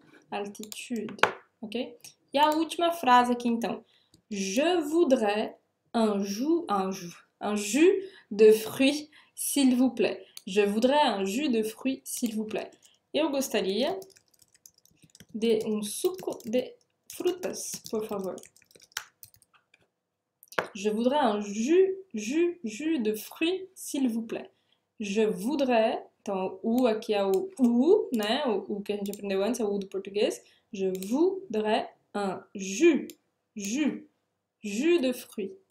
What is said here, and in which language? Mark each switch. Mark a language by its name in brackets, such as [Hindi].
[Portuguese] Altitude, ok? E a última frase aqui então. [French] Je voudrais un jus de fruits, s'il vous plaît. Je voudrais un jus de fruits, s'il vous plaît. [Portuguese] Eu gostaria de um suco de frutas, por favor. [French] Je voudrais un jus de fruits, s'il vous plaît. Je voudrais. [Portuguese] Então, o U aqui é o U, né? O que a gente aprendeu antes é o U do português. [French] Je voudrais un jus de fruits.